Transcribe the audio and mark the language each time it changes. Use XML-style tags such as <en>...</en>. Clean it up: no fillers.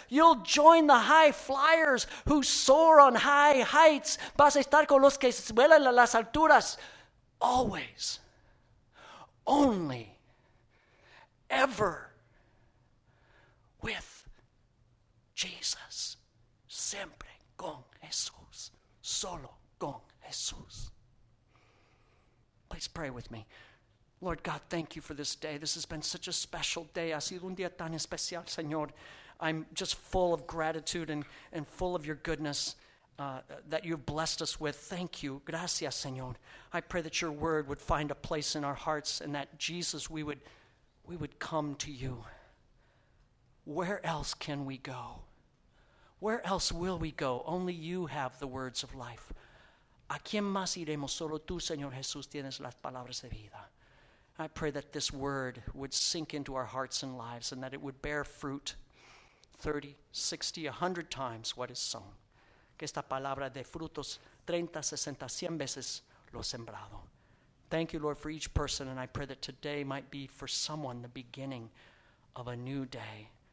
<en>You'll join the high flyers who soar on high heights.</en> <es>Vas a estar con los que vuelan a las alturas.</es> <en>Always. Only. Ever. With Jesus.</en> <es>Siempre con Jesús. Solo con Jesús.</es> <en>Please pray with me. Lord God, thank you for this day. This has been such a special day.</en> <es>Ha sido un día tan especial, Señor.</es> <en>I'm just full of gratitude and full of your goodness that you've blessed us with. Thank you.</en> <es>Gracias, Señor.</es> <en>I pray that your word would find a place in our hearts and that, Jesus, we would come to you. Where else can we go? Where else will we go? Only you have the words of life.</en> <es>¿A quién más iremos? Solo tú, Señor Jesús, tienes las palabras de vida.</es> <en>I pray that this word would sink into our hearts and lives and that it would bear fruit 30, 60, 100 times what is sown.</en> <es>Que esta palabra de frutos 30, 60, 100 veces lo sembrado.</es> <en>Thank you, Lord, for each person, and I pray that today might be for someone the beginning of a new day.</en>